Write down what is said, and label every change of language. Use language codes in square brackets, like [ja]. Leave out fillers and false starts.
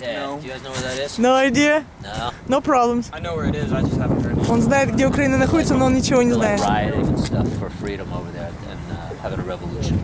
[en] Yeah, no. Do you guys know where that is? No idea. No. No problems. I know where it is, I just haven't heard anything. [ru] Он знает, где Украина находится, но он ничего не знает. [en] Rioting and stuff for freedom over there and having a revolution.